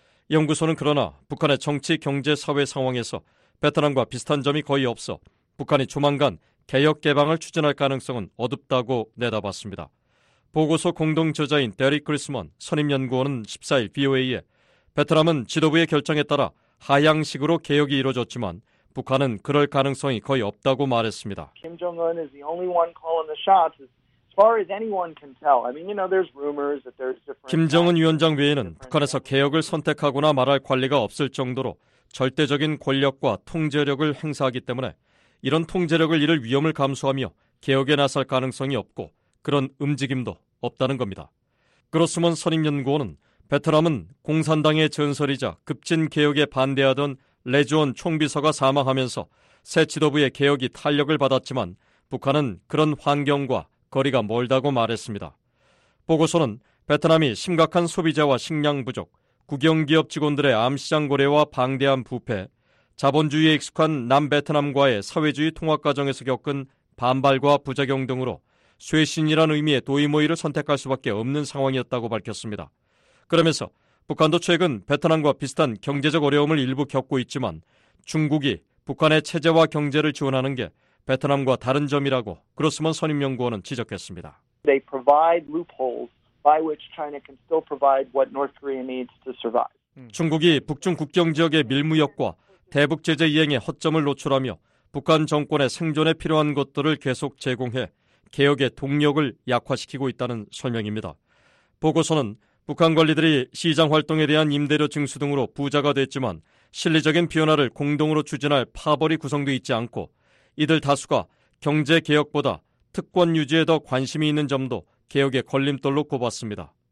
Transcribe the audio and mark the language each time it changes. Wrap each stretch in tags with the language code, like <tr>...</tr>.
<ko>연구소는 그러나 북한의 정치, 경제, 사회 상황에서 베트남과 비슷한 점이 거의 없어 북한이 조만간 개혁 개방을 추진할 가능성은 어둡다고 내다봤습니다. 보고서 공동 저자인 데릭 크리스먼 선임연구원은 14일 VOA에 베트남은 지도부의 결정에 따라 하향식으로 개혁이 이루어졌지만 북한은 그럴 가능성이 거의 없다고 말했습니다.</ko> <en>김정은 is the only one calling the shots. As far as anyone can tell, I mean, you know, there's rumors that there's different.</en> <ko>김정은 위원장 외에는 북한에서 개혁을 선택하거나 말할 권리가 없을 정도로 절대적인 권력과 통제력을 행사하기 때문에 이런 통제력을 잃을 위험을 감수하며 개혁에 나설 가능성이 없고 그런 움직임도 없다는 겁니다. 그로스먼 선임 연구원은 베트남은 공산당의 전설이자 급진 개혁에 반대하던 레즈온 총비서가 사망하면서 새 지도부의 개혁이 탄력을 받았지만 북한은 그런 환경과 거리가 멀다고 말했습니다. 보고서는 베트남이 심각한 소비자와 식량 부족, 국영기업 직원들의 암시장 거래와 방대한 부패, 자본주의에 익숙한 남베트남과의 사회주의 통합 과정에서 겪은 반발과 부작용 등으로 쇄신이라는 의미의 도의모의를 선택할 수밖에 없는 상황이었다고 밝혔습니다. 그러면서 북한도 최근 베트남과 비슷한 경제적 어려움을 일부 겪고 있지만 중국이 북한의 체제와 경제를 지원하는 게 베트남과 다른 점이라고 그로스먼 선임연구원은 지적했습니다.</ko> <en>They provide loopholes by which China can still provide what North Korea needs to survive.</en> <ko>중국이 북중 국경 지역의 밀무역과 대북 제재 이행의 허점을 노출하며 북한 정권의 생존에 필요한 것들을 계속 제공해 개혁의 동력을 약화시키고 있다는 설명입니다. 보고서는 북한 관리들이 시장 활동에 대한 임대료 증수 등으로 부자가 됐지만 실리적인 변화를 공동으로 추진할 파벌이 구성돼 있지 않고 이들 다수가 경제개혁보다 특권 유지에 더 관심이 있는 점도 개혁의 걸림돌로 꼽았습니다.</ko>